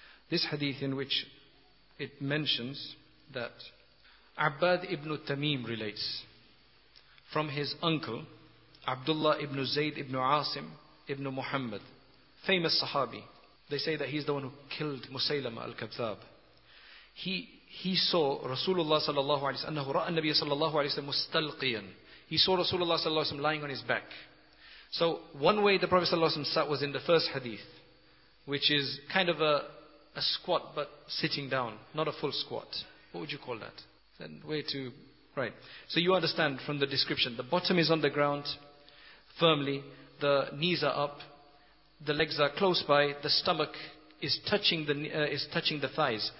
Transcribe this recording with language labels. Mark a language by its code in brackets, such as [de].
[en] This hadith in which it mentions that Abbad ibn Tamim relates from his uncle, Abdullah ibn Zayd ibn Asim ibn Muhammad, famous Sahabi. They say that he's the one who killed Musaylama al-Kadhab. He saw Rasulullah sallallahu alayhi wa sallam, [ar] أنه رأى النبي صلى الله عليه وسلم مستلقياً. [en] He saw Rasulullah sallallahu alayhi wa sallam lying on his back. So one way the Prophet ﷺ sat was in the first hadith, which is kind of a squat but sitting down, not a full squat. What would you call that? Then way to right. So you understand from the description, the bottom is on the ground, firmly, the knees are up, the legs are close by, the stomach is touching the thighs.